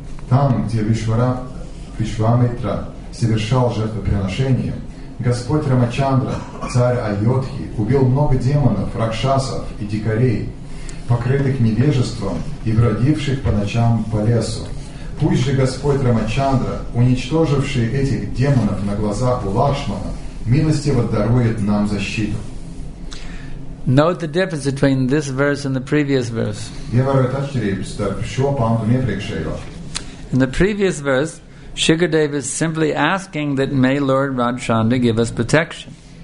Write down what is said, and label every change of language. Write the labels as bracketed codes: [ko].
[ru] Там, где Вишвамитра совершал жертвоприношение, Господь Рамачандра, царь Айодхи, убил много демонов, ракшасов и дикарей, покрытых невежеством и бродивших по ночам по лесу. Пусть же Господь Рамачандра, уничтоживший этих демонов на глазах у Лакшмана, милостиво дарует нам защиту. [en] Note the difference between this verse and the previous verse. Я говорю о тащерепс, так что панду не прикшейло. In the previous verse, Shukadeva is simply asking that may Lord Ramachandra give us protection.